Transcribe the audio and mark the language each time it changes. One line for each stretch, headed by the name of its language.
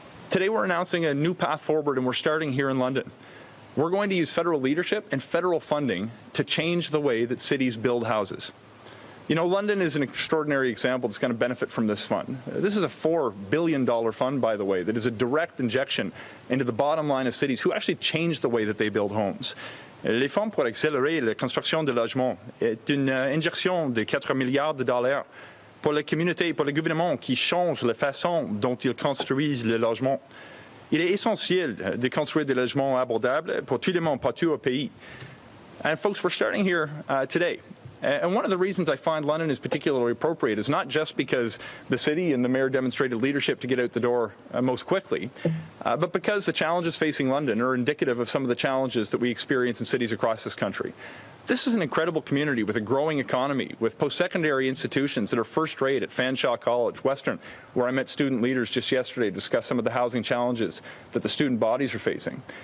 English: Today we're announcing a new path forward, and we're starting here in London. We're going to use federal leadership and federal funding to change the way that cities build houses. You know, London is an extraordinary example that's going to benefit from this fund. This is a $4 billion fund, by the way, that is a direct injection into the bottom line of cities who actually change the way that they build homes.
French: Les fonds pour accélérer la construction de logements est une injection de 4 milliards de dollars pour les communautés, pour les gouvernements qui changent la façon dont ils construisent les logements. Il est essentiel de construire des logements abordables pour tout le monde partout au pays.
English: And folks, we're starting here today. And one of the reasons I find London is particularly appropriate is not just because the city and the mayor demonstrated leadership to get out the door most quickly, but because the challenges facing London are indicative of some of the challenges that we experience in cities across this country. This is an incredible community with a growing economy, with post-secondary institutions that are first rate at Fanshawe College, Western, where I met student leaders just yesterday to discuss some of the housing challenges that the student bodies are facing.